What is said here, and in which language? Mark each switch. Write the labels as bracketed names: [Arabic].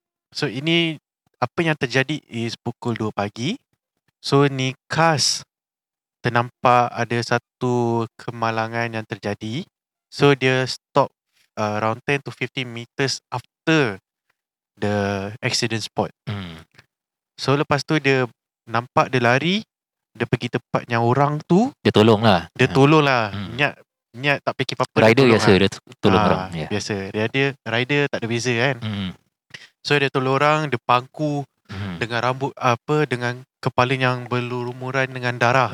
[Malay] So ini apa yang terjadi is pukul 2 pagi. So ni khas ternampak ada satu kemalangan yang terjadi. [English] So dia stop around 10 to 15 meters after the accident spot. [Malay] So lepas tu dia nampak dia lari. Dia pergi tempat yang orang tu. Dia tolong lah. Dia tolong lah. Niat tak fikir apa-apa. Rider biasa dia tolong orang. Biasa. Dia rider tak ada beza kan. So dia tolong orang. Dia pangku. dengan rambut apa, dengan kepala yang berlumuran dengan darah.